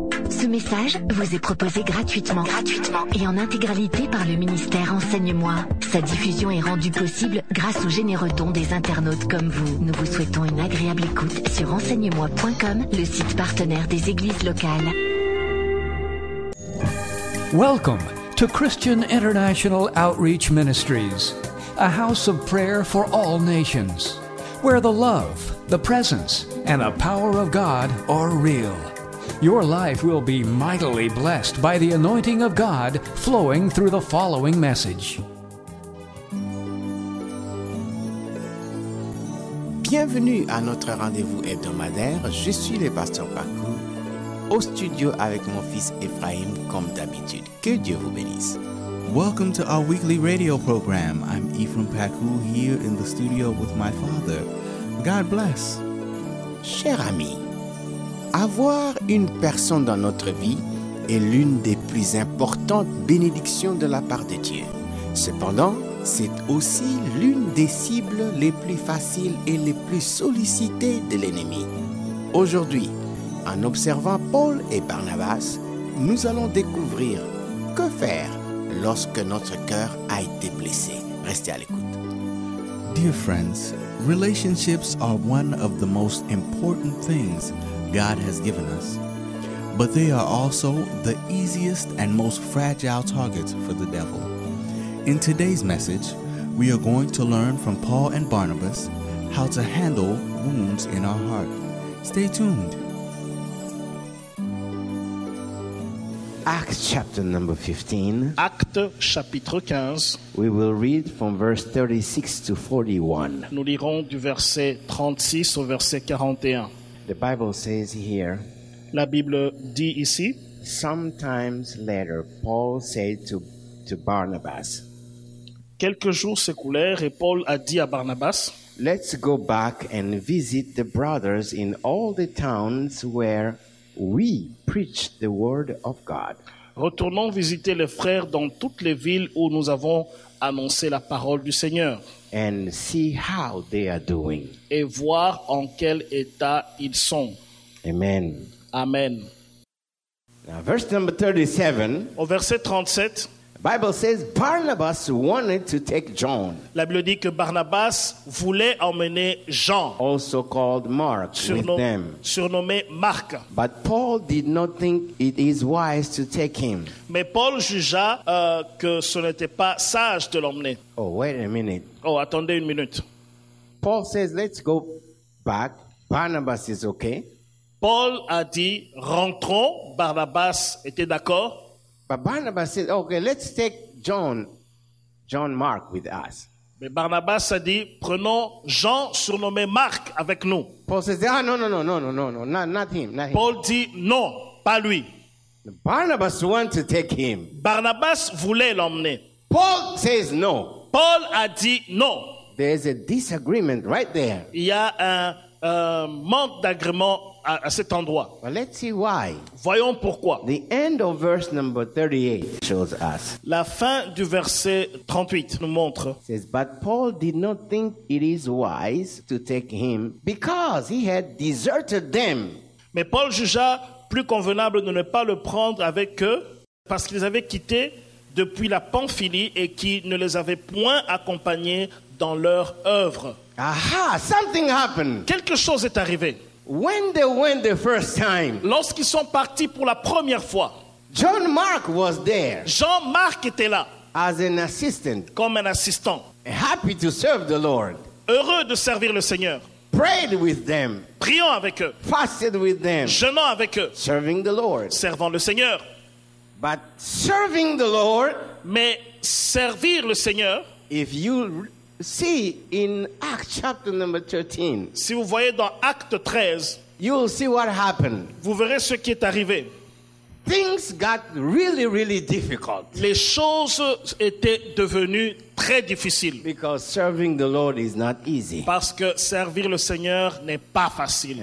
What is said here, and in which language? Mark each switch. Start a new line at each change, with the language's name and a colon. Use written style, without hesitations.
French: Ce message vous est proposé gratuitement. Gratuitement. Et en intégralité par le ministère Enseigne-moi. Sa diffusion est rendue possible grâce aux généreux dons des internautes comme vous. Nous vous souhaitons une agréable écoute sur enseignemoi.com, le site partenaire des églises locales.
English: Welcome to Christian International Outreach Ministries, a house of prayer for all nations, where the love, the presence, and the power of God are real. Your life will be mightily blessed by the anointing of God flowing through the following message.
French: Bienvenue à notre rendez-vous hebdomadaire. Je suis le pasteur Paco, au studio avec mon fils Ephraim, comme d'habitude. Que Dieu vous bénisse.
English: Welcome to our weekly radio program. I'm Ephraim Paco here in the studio with my father. God bless.
French: Cher ami, avoir une personne dans notre vie est l'une des plus importantes bénédictions de la part de Dieu. Cependant, c'est aussi l'une des cibles les plus faciles et les plus sollicitées de l'ennemi. Aujourd'hui, en observant Paul et Barnabas, nous allons découvrir que faire lorsque notre cœur a été blessé. Restez à l'écoute.
English: Dear friends, relationships are one of the most important things God has given us, but they are also the easiest and most fragile targets for the devil. In today's message, we are going to learn from Paul and Barnabas how to handle wounds in our heart. Stay tuned. Acts chapter number 15.
French: Acte chapitre 15.
English: We will read from verse 36 to 41.
French: Nous lirons du verset 36 au verset 41.
English: The Bible says here.
French: La Bible dit ici.
English: Sometimes later, Paul said to Barnabas.
French: Quelques jours s'écoulèrent et Paul a dit à Barnabas.
English: Let's go back and visit the brothers in all the towns where we preach the word of God.
French: Retournons visiter les frères dans toutes les villes où nous avons annoncé la parole du Seigneur.
English: And see how they are doing.
French: Et voir en quel état ils sont.
English: Amen.
French: Amen.
English: Now, verse number 37.
French: Au verset 37.
English: Bible says Barnabas wanted to take John.
French: La Bible dit que Barnabas voulait emmener Jean.
English: Also called Mark, with them.
French: Surnommé Marc.
English: But Paul did not think it is wise to take him.
French: Mais Paul jugea que ce n'était pas sage de l'emmener.
English: Oh, wait a minute.
French: Oh, attendez une minute.
English: Paul says let's go back. Barnabas is okay.
French: Paul a dit rentrons. Barnabas était d'accord.
English: But Barnabas said, okay, let's take John Mark with us.
French: Mais Barnabas a dit, prenons Jean surnommé Marc avec nous.
English: Paul says, ah, no, not him.
French: Paul dit, non, pas lui.
English: Barnabas wanted to take him.
French: Barnabas voulait l'emmener.
English: Paul says, no.
French: Paul a dit, non.
English: There's a disagreement right there.
French: Il y a un manque d'agrément à cet endroit.
English: But let's see why.
French: Voyons pourquoi.
English: The end of verse number 38 shows us.
French: La fin du verset 38 nous montre.
English: It says, but Paul did not think it is wise to take him because he had deserted them.
French: Mais Paul jugea plus convenable de ne pas le prendre avec eux parce qu'ils avaient quitté depuis la Pamphylie et qui ne les avaient point accompagnés dans leur œuvre.
English: Aha, something happened.
French: Quelque chose est arrivé.
English: When they went the first time,
French: lorsqu'ils sont partis pour la première fois,
English: John Mark was there.
French: Jean Marc était là.
English: As an assistant,
French: comme un assistant.
English: Happy to serve the Lord.
French: Heureux de servir le Seigneur.
English: Prayed with them.
French: Priant avec eux.
English: Fasted with them.
French: Jeûnant avec eux.
English: Serving the Lord.
French: Servant le Seigneur.
English: But serving the Lord,
French: mais servir le Seigneur,
English: if you see in Acts chapter number 13.
French: Si vous voyez dans Acte 13,
English: you will see what happened.
French: Vous verrez ce qui est arrivé.
English: Things got really, really difficult.
French: Les choses étaient devenues très difficiles.
English: Because serving the Lord is not easy.
French: Parce que servir le Seigneur n'est pas facile.